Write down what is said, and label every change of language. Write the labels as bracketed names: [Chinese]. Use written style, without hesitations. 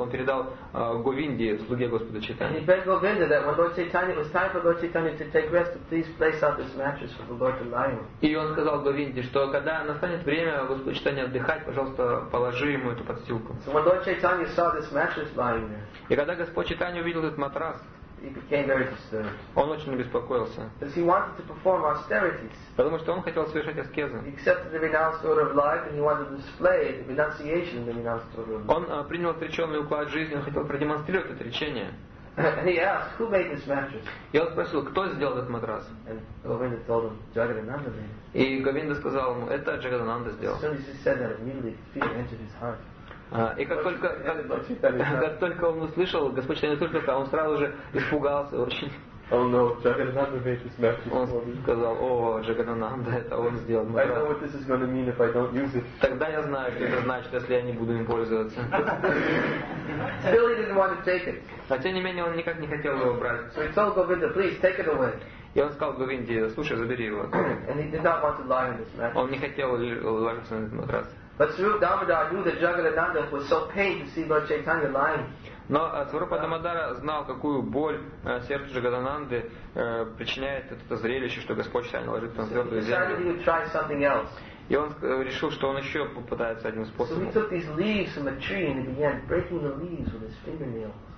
[Russian] Он передал Говинде, слуге Господа Чайтаньи. [English] And he begged Govinda that when Lord Chaitanya, it was time for Lord Chaitanya to take rest, to please place out this mattress for the Lord to lie on. [Russian] И он сказал Говинде, что когда настанет время Господа Чайтанья отдыхать, пожалуйста, положи ему эту подстилку. [English] So when Lord Chaitanya saw this mattress lying there, [Russian] и когда Господь Чайтанья увидел этот матрас, [English] he became very disturbed. [Russian] Он очень обеспокоился. [English] Because he wanted to perform austerities. [Russian] Потому что он хотел совершать аскезы. [English] He accepted the renounced order of life and he wanted to display the renunciation of the renounced order of life. [Russian] Он принял отреченный уклад жизни, он хотел продемонстрировать отречение. [English] And he asked, who made this mattress? [Russian] И он спросил, кто сделал этот матрас? [English] And Govinda told him, Jagadananda made it. [Russian] И Говинда сказал ему, это Джагадананда сделал. [English] As soon as he said that, immediately fear entered his heart. [Russian] И как только он услышал, Господь Чайтанья услышал это, он сразу же испугался очень. [English] Oh no, Джагадананда made this mattress. [Russian] Он сказал, о, Джагадананда, это он сделал. [English] I know what this is going to mean if I don't use it. [Russian] Тогда я знаю, что это значит, если я не буду им пользоваться. [English] Still he didn't want to take it. [Russian] Но тем не менее он никак не хотел его брать. [English] So he told Govinda, please take it away. [Russian] И он сказал Говинде, слушай, забери его. [English] And he did not want to lie on this mattress. [Russian] Он не хотел ложиться на этот матрас. [English] But Swarupa Damodara knew that Jagannanda was so pained to see Lord Chaitanya lying. [Russian] Но Свропа Дамодара знал, какую боль сердцу Джагадананды причиняет это зрелище, что Господь Чайтанья ложит на твердую землю. И он решил, что он еще попытается одним способом. [English] So he took these leaves from a tree and he began breaking the leaves with his fingernails.